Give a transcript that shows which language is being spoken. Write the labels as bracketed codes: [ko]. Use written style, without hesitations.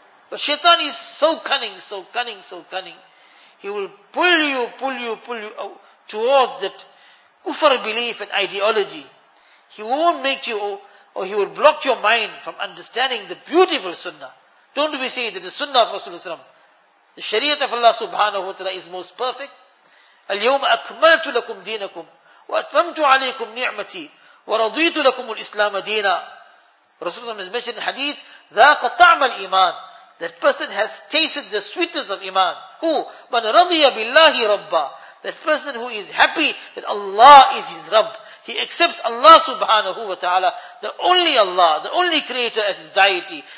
[en] But shaitan is so cunning, so cunning, so cunning. He will pull you towards that kufr belief and ideology. He won't make you, or he will block your mind from understanding the beautiful sunnah. Don't we say that the sunnah of Rasulullah, the shariat of Allah subhanahu wa ta'ala is most perfect? [ar] اليوم أكملت لكم دينكم وأتممت عليكم نعمتي ورضيت لكم الإسلام دينا. [en] رسول الله has mentioned in the hadith, [ar] ذاق طعم الإيمان. [en] That person has tasted the sweetness of iman. Who? [ar] من رضي بالله ربا. [en] That person who is happy that Allah is his Rabb. He accepts Allah subhanahu wa ta'ala, the only Allah, the only creator as his deity.